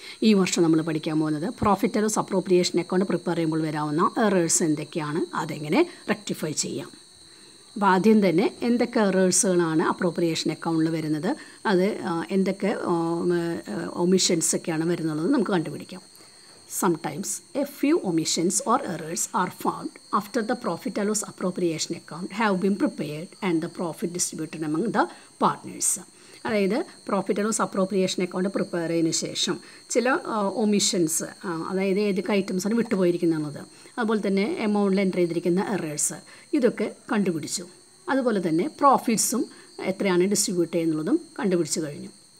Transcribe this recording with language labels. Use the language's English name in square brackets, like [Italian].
[Malayalam] ഈ വർഷം നമ്മൾ പഠിക്കാൻ പോകുന്നത് profit loss appropriation account prepare ചെയ്യുമ്പോൾ വരാവുന്ന എറേഴ്സ് എന്തൊക്കെയാണ്, അതെങ്ങനെ റെക്ടിഫൈ ചെയ്യാം. അപ്പോൾ ആദ്യം തന്നെ എന്തൊക്കെ എറേഴ്സുകളാണ് അപ്രോപ്രിയേഷൻ അക്കൗണ്ടിൽ വരുന്നത്, അത് എന്തൊക്കെ ഒമിഷൻസൊക്കെയാണ് വരുന്നുള്ളത് നമുക്ക് കണ്ടുപിടിക്കാം. [English] Sometimes a few omissions or errors are found after the profit and loss appropriation account have been prepared and the profit distributed among the partners. [Malayalam] അതായത് profit and loss appropriation account prepare ചെയ്തതിനു ശേഷം ചില omissions, അതായത് ഏതൊക്കെ ഐറ്റംസാണ് വിട്ടുപോയിരിക്കുന്നത്, അതുപോലെ തന്നെ എമൗണ്ടിൽ enter ചെയ്തിരിക്കുന്ന എറേഴ്സ്, ഇതൊക്കെ കണ്ടുപിടിച്ചു. അതുപോലെ തന്നെ പ്രോഫിറ്റ്സും എത്രയാണ് ഡിസ്ട്രിബ്യൂട്ട് ചെയ്യുന്നതും കണ്ടുപിടിച്ചു കഴിഞ്ഞു.